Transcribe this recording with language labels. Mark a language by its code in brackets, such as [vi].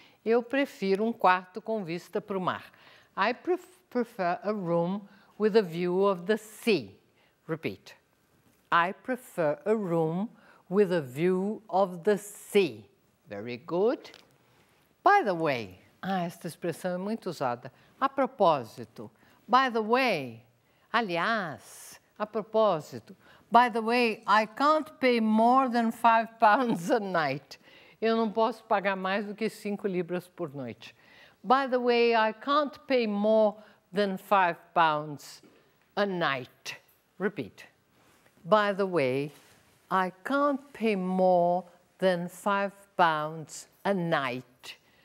[pt] Eu prefiro quarto com vista para o mar. [en] I prefer a room with a view of the sea. Repeat. I prefer a room with a view of the sea. Very good. By the way, [pt] esta expressão é muito usada. A propósito. [en] By the way, [pt] aliás, a propósito. [en] By the way, I can't pay more than £5 a night. [pt] Eu não posso pagar mais do que 5 libras por noite. [en] By the way, I can't pay more than £5 a night. Repeat. By the way, I can't pay more than £5 a night.